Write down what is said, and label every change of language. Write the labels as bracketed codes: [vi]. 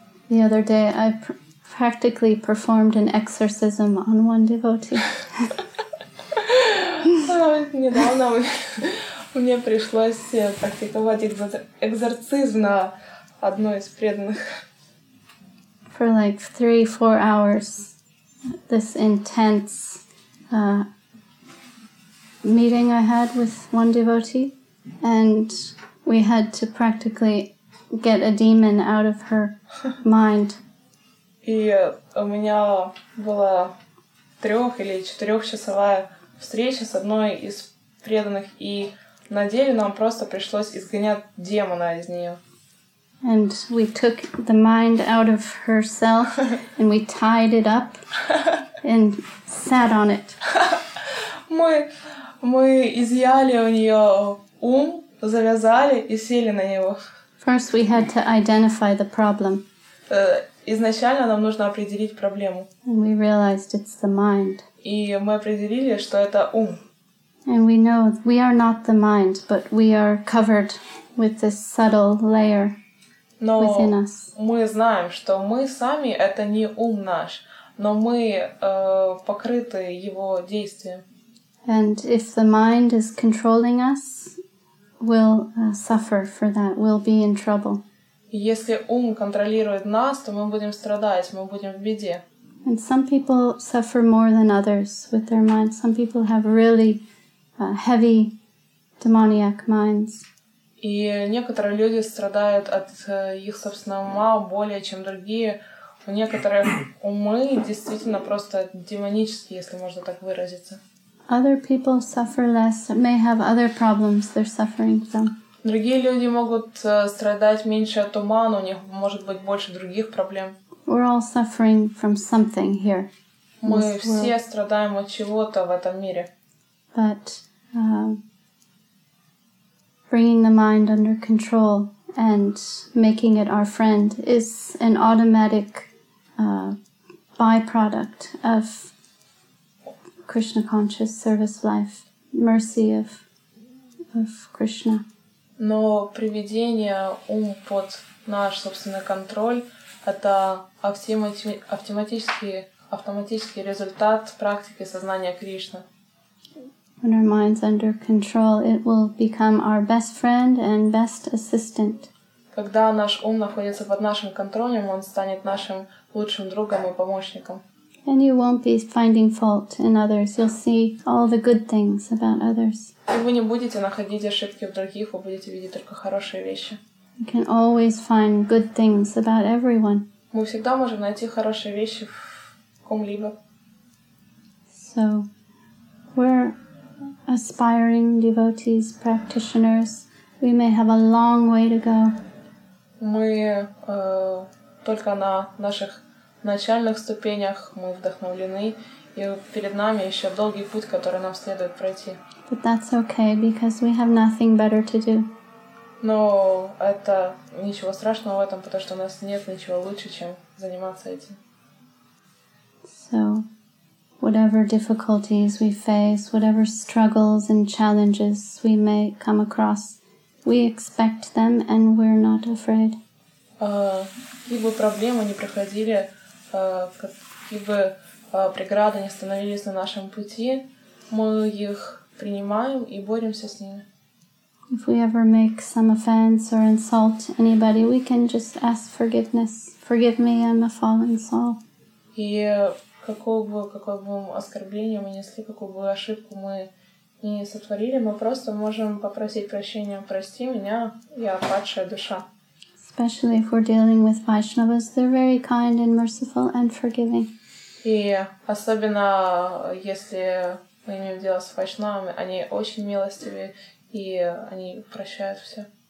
[en] The other day I practically performed an exorcism on one devotee. [ru] Недавно Мне пришлось практиковать экзорцизм на одной из преданных. [en] For like 3-4 hours, this intense meeting I had with one devotee, and we had to practically get a demon out of her mind. [ru] И у меня была 3- или 4-часовая встреча с одной из преданных, и на деле нам просто пришлось изгонять демона из нее. [en] And we took the mind out of herself, and we tied it up, and sat on it. [ru] Мы изъяли у нее ум, завязали и сели на него. [en] First we had to identify the problem. [ru] Изначально нам нужно определить проблему. [en] And we realized it's the mind. [ru] И мы определили, что это ум. [en] And we know we are not the mind, but we are covered with this subtle layer within us. [ru] Но мы знаем, что мы сами — это не ум наш, но мы покрыты его действием. [en] And if the mind is controlling us, we'll suffer for that, we'll be in trouble. [ru] Если ум контролирует нас, то мы будем страдать, мы будем в беде. [en] And some people suffer more than others with their minds. Some people have really heavy demoniac minds. [ru] И некоторые люди страдают от их собственного ума более, чем другие. У некоторых умы действительно просто демонические, если можно так выразиться. [en] Other people suffer less, may have other problems they're suffering from. [ru] Другие люди могут страдать меньше от ума, но у них может быть больше других проблем. [en] We're all suffering from something here. [ru] Мы все страдаем от чего-то в этом мире. [en] But bringing the mind under control and making it our friend is an automatic byproduct of Krishna conscious service life, mercy of Krishna. [ru] Но приведение ума под наш собственный контроль — это автоматический результат практики сознания Кришны. [en] When our mind's under control, it will become our best friend and best assistant. [ru] Когда наш ум находится под нашим контролем, он станет нашим лучшим другом и помощником. [en] And you won't be finding fault in others. You'll see all the good things about others. [ru] И вы не будете находить ошибки в других, вы будете видеть только хорошие вещи. [en] You can always find good things about everyone. [ru] Мы всегда можем найти хорошие вещи в ком-либо. [en] So, we're aspiring devotees, practitioners. We may have a long way to go. [ru] Мы только на наших начальных ступенях, мы вдохновлены, и перед нами еще долгий путь, который нам следует пройти. [en] But that's okay, because we have nothing better to do. [ru] Но это ничего страшного в этом, потому что у нас нет ничего лучше, чем заниматься этим. [en] So, whatever difficulties we face, whatever struggles and challenges we may come across, we expect them and we're not afraid. [ru] Какие бы проблемы ни приходили, какие бы преграды ни становились на нашем пути, мы их принимаем и боремся с ними. [en] If we ever make some offense or insult anybody, we can just ask forgiveness. Forgive me, I'm a fallen soul. [ru] И какое бы оскорбление мы несли, какую бы ошибку мы не сотворили, мы просто можем попросить прощения. Прости меня, я падшая душа. [en] Especially if we're dealing with Vaishnavas, they're very kind and merciful and forgiving. [ru] И особенно если мы имеем дело с Вайшнавами, они очень милостивы и они прощают все.